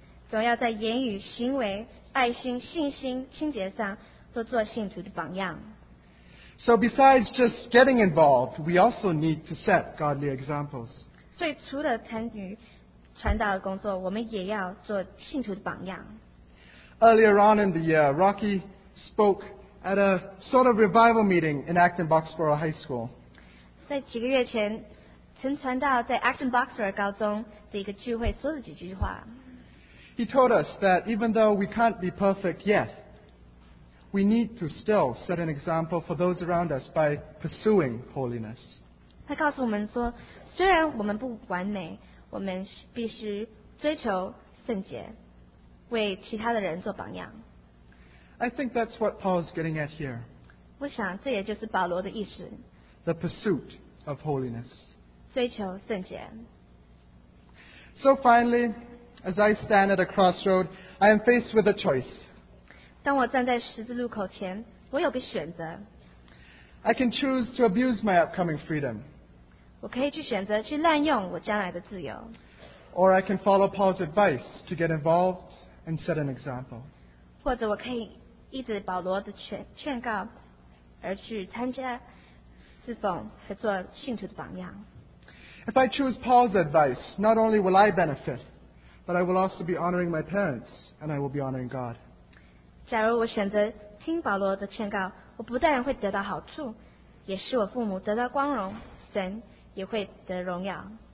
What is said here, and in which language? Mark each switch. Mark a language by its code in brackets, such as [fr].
[zh] 总要在言语、行为、爱心、信心、清洁上都做信徒的榜样。 [en] So besides just getting involved, we also need to set godly examples. [zh] 所以除了参与传道的工作，我们也要做信徒的榜样。 [en] Earlier on in the year, Rocky spoke at a sort of revival meeting in Acton Boxborough High School. [zh] 在几个月前，曾传道在 Acton Boxborough 高中的一个聚会说了几句话。 [en] He told us that even though we can't be perfect yet,We need to still set an example for those around us by pursuing holiness. [zh] 他告诉我们说，虽然我们不完美，我们必须追求圣洁，为其他的人做榜样。 [en] I think that's what Paul's getting at here. [zh] 我想这也就是保罗的意思。 [en] The pursuit of holiness. [zh] 追求圣洁。 [en] So finally, as I stand at a crossroad, I am faced with a choice. [zh] 当我站在十字路口前，我有个选择。 [en] I can choose to abuse my upcoming freedom. [zh] 我可以去选择去滥用我将来的自由。 [en] Or I can follow Paul's advice to get involved and set an example. [zh] 或者我可以依着保罗的劝告而去参加侍奉和做信徒的榜样。 [en] If I choose Paul's advice, not only will I benefit, but I will also be honoring my parents and I will be honoring God. [zh] 假如我选择听保罗的劝告，我不但会得到好处，也使我父母得到光荣，神也会得荣耀。